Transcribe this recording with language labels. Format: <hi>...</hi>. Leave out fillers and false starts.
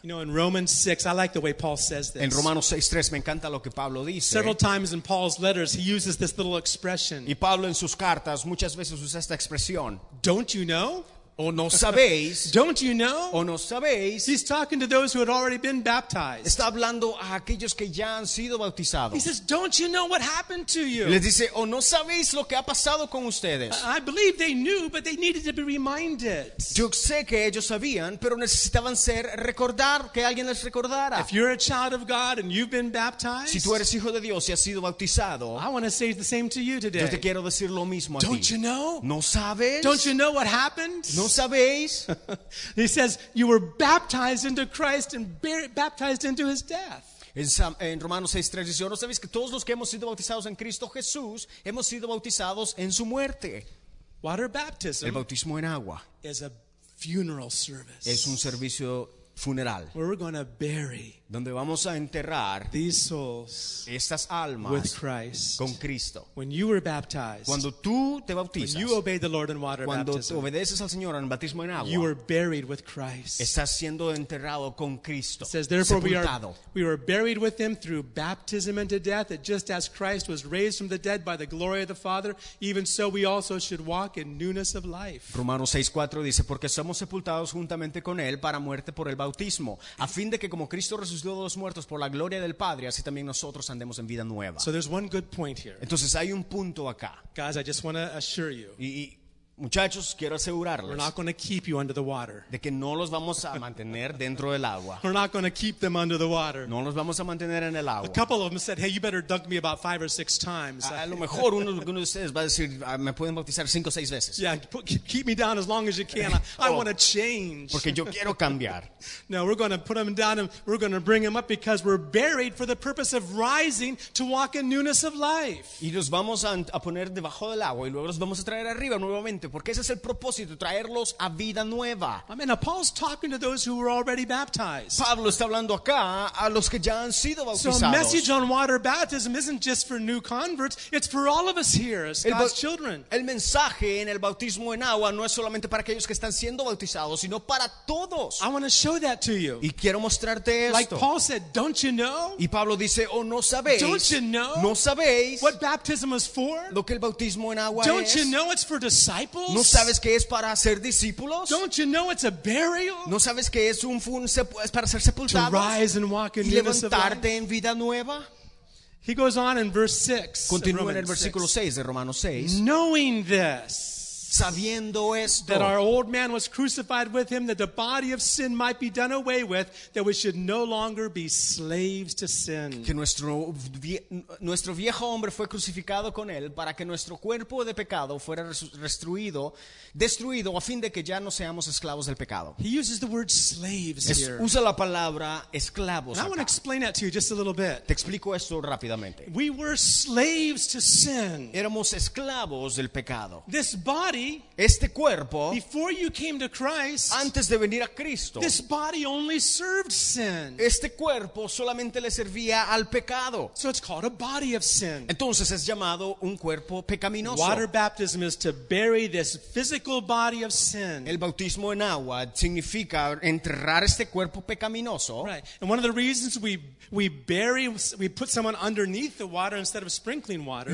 <en>You know, in Romans 6, I like the way Paul says this.</en> <es>En Romanos 6:3 me encanta lo que Pablo.</es> <en>Several times in Paul's letters, he uses this little expression.</en> <es>Y Pablo en sus cartas muchas veces usa esta expresión.</es> <en>Don't you know?</en> <es>O no sabéis.</es> <en>Don't you know?</en> <es>O no sabéis.</es> <en>He's talking to those who had already been baptized.</en> <es>Está hablando a aquellos que ya han sido bautizados.</es> <en>He says, "Don't you know what happened to you?"</en> <es>Les dice, o no sabéis lo que ha pasado con ustedes.</es> <en>I believe they knew, but they needed to be reminded.</en> <es>Yo sé que ellos sabían, pero necesitaban ser recordar que alguien les recordara.</es> <en>If you're a child of God and you've been baptized,</en> <es>si tú eres hijo de Dios y has sido bautizado,</es> <en>I want to say the same to you today.</en> <es>Yo te quiero decir lo mismo a ti.</es> <en>Don't you know?</en> <es>No sabes.</es> <en>Don't you know what happened?</en> <es>¿No sabéis?</es> <en>He says, "You were baptized into Christ and baptized into his death."</en> <es>En Romanos 6:3 dice, "¿No sabéis que todos los que hemos sido bautizados en Cristo Jesús hemos sido bautizados en su muerte?"</es> <en>Water baptism.</en> <es>El bautismo en agua.</es> <en>Is a funeral service.</en> <es>Es un servicio funeral.</es> <en>Where we're going to bury.</en> <es>Donde vamos a enterrar</es> <en>these souls.</en> <es>Estas almas.</es> <en>With Christ.</en> <es>Con Cristo.</es> <en>When you were baptized.</en> <es>Cuando tú te bautizas.</es> <en>When you obeyed the Lord in water</en> <es>cuando</es> <en>baptism.</en> <es>Cuando obedeces al Señor en el bautismo en agua.</es> <en>You were buried with Christ.</en> <es>Estás siendo enterrado con Cristo.</es> <en>It says, "Therefore we were buried with him through baptism into death, that just as Christ was raised from the dead by the glory of the Father, even so we also should walk in newness of life."</en> <es>Romanos 6:4 dice, "Porque somos sepultados juntamente con él para muerte por el bautismo, a fin de que como Cristo resucitó de los muertos por la gloria del Padre, así también nosotros andemos en vida nueva."</es> <en>So there's one good point here.</en> <es>Entonces hay un punto acá.</es> <en>Guys, I just want to assure you.</en> <es>Y muchachos, quiero asegurarles.</es> <en>We're not going to keep you under the water.</en> <es>De que no los vamos a mantener dentro del agua.</es> <en>We're not going to keep them under the water.</en> <es>No los vamos a mantener en el agua.</es> <en>A couple of them said, "Hey, you better dunk me about 5 or 6 times."</en> <es>A lo mejor uno de ustedes va a decir, "Me pueden bautizar 5 o 6 veces."</es> <en>Yeah, keep me down as long as you can. I want to change.</en> <es>Porque yo quiero cambiar.</es> <en>No, we're going to put them down and we're going to bring them up because we're buried for the purpose of rising to walk in newness of life.</en> <es>Y los vamos a poner debajo del agua y luego los vamos a traer arriba nuevamente. Cristo, porque ese es el propósito, traerlos a vida nueva.</es> <en>I mean, Paul's talking to those who were already baptized.</en> <es>Pablo está hablando acá a los que ya han sido bautizados.</es> <en>So a message on water baptism isn't just for new converts, it's for all of us here as God's children.</en> <es>El mensaje en el bautismo en agua no es solamente para aquellos que están siendo bautizados, sino para todos.</es> <en>I want to show that to you.</en> <es>Y quiero mostrarte esto.</es> <en>Like Paul said, don't you know?</en> <es>Y Pablo dice, oh, no sabéis.</es> <en>Don't you know?</en> <es>No sabéis.</es> <en>What baptism is for?</en> <es>Lo que el bautismo en agua</es> <en>don't</en> <es>es.</es> <en>You know it's for disciples?</en> <es>¿No sabes que es para ser discípulos?</es> <en>Don't you know it's a burial?</en> <es>¿No sabes que es un es para ser sepultados?</es> <en>To rise and walk in</en> <es>y levantarte en vida nueva.</es> <en>He goes on in verse 6.</en> <es>Continúa en el versículo 6 de Romanos 6.</es> <en>Knowing this,</en> <es>sabiendo esto,</es> <en>that our old man was crucified with him, that the body of sin might be done away with, that we should no longer be slaves to sin.</en> <es>Que nuestro viejo hombre fue crucificado con él para que nuestro cuerpo de pecado fuera destruido a fin de que ya no seamos esclavos del pecado.</es> <en>He uses the word slaves here.</en> <es>Usa la palabra esclavos.</es> <en>I want to explain that to you just a little bit.</en> <es>Te explico esto rápidamente.</es> <en>We were slaves to sin.</en> <es>Éramos esclavos del pecado.</es> <en>This body.</en> <es>Este cuerpo,</es> <en>before you came to Christ,</en> <es>antes de venir a Cristo,</es> <en>this body only served sin.</en> <es>Este cuerpo solamente le servía al pecado.</es> <en>So it's called a body of sin.</en> <es>Entonces es llamado un cuerpo pecaminoso.</es> <en>Water baptism is to bury this physical body of sin.</en> <es>El bautismo en agua significa enterrar este cuerpo pecaminoso.</es> <en>Right. And one of the reasons we put someone underneath the water instead of sprinkling water.</en>